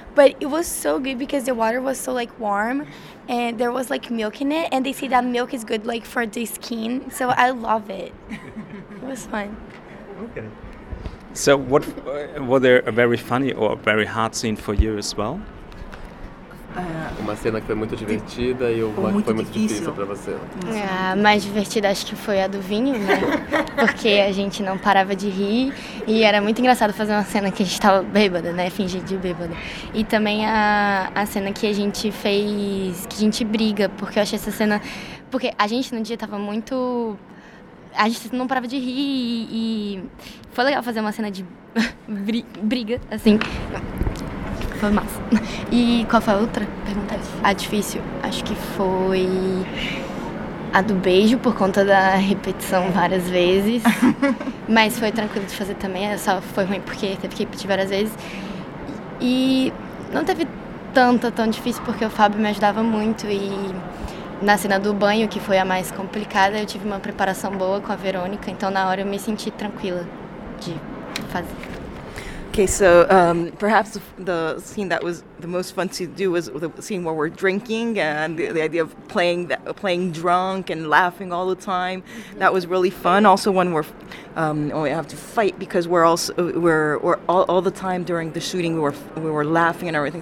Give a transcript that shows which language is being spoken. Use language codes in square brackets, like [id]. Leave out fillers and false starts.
[en] But it was so good because the water was so like warm and there was like milk in it. And they say that milk is good like for the skin. So I love it. It was fun. Okay. So what were there a very funny or a very hard scene for you as well? [pt] Uma cena que foi muito divertida e uma que foi muito difícil para você. A mais divertida acho que foi a do vinho, né? Porque a gente não parava de rir e era muito engraçado fazer uma cena que a gente estava bêbada, né? Fingir de bêbada. E também a cena que a gente fez, que a gente briga, porque eu achei essa cena... Porque a gente no dia estava muito... A gente não parava de rir e foi legal fazer uma cena de briga, assim... Foi massa. E qual foi a outra pergunta? A difícil? Acho que foi a do beijo, por conta da repetição várias vezes. Mas foi tranquilo de fazer também, só foi ruim porque teve que repetir várias vezes. E não teve tanta tão difícil porque o Fábio me ajudava muito. E na cena do banho, que foi a mais complicada, eu tive uma preparação boa com a Verônica. Então na hora eu me senti tranquila de fazer. [en] Okay, so perhaps the scene that was the most fun to do was the scene where we're drinking and the idea of playing drunk and laughing all the time. Mm-hmm. That was really fun. Also, when we have to fight because we're all the time during the shooting we were laughing and everything.